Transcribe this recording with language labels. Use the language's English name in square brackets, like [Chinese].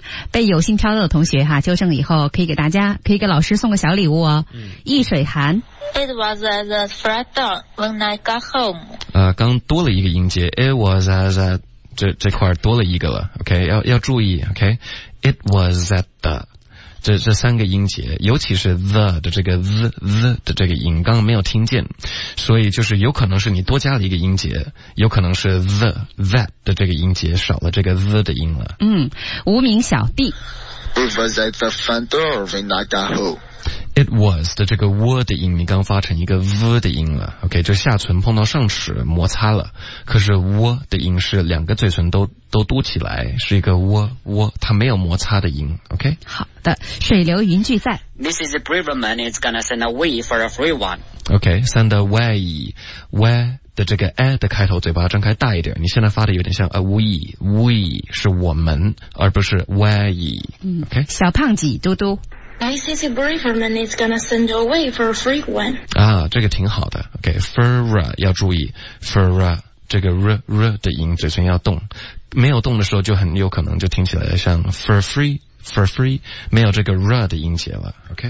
[Chinese] 被有幸挑到的同学哈，纠正以后可以给大家，可以给老师送个小礼物哦。易水寒 [English] ，It was at the front door when I got home。 [Chinese] 刚多了一个音节 ， [English] It was at the [Chinese] 这块多了一个了 ，OK， 要注意 ，OK，It was at the 这三个音节，尤其是 the 的这个 the 的这个音，刚刚没有听见，所以就是有可能是你多加了一个音节，有可能是 the that 的这个音节少了这个 the 的音了。无名小弟。 [English] It was at the front door when I got home. [Chinese] It was 的这个 w 的音，你刚发成一个 v 的音了 ，OK， 就下唇碰到上齿摩擦了。可是 w 的音是两个嘴唇都嘟起来，是一个 w， 它没有摩擦的音 ，OK。好的，水流云聚在。 [English] This is a Braverman is gonna send away for a free one. OK， send away. [Chinese] 的这个 a 的开头，嘴巴张开大一点。你现在发的有点像we 是我们，而不是 we。 [English] OK， [Chinese] 小胖子嘟嘟。 [English] I think the Braverman is gonna send away for a free one。 [Chinese] 啊，这个挺好的。OK，for、okay, 要注意 for 这个 r 的音，嘴唇要动。没有动的时候，就很有可能就听起来像 [English] for free [Chinese] for free, 没有这个 ra 的音节了。OK，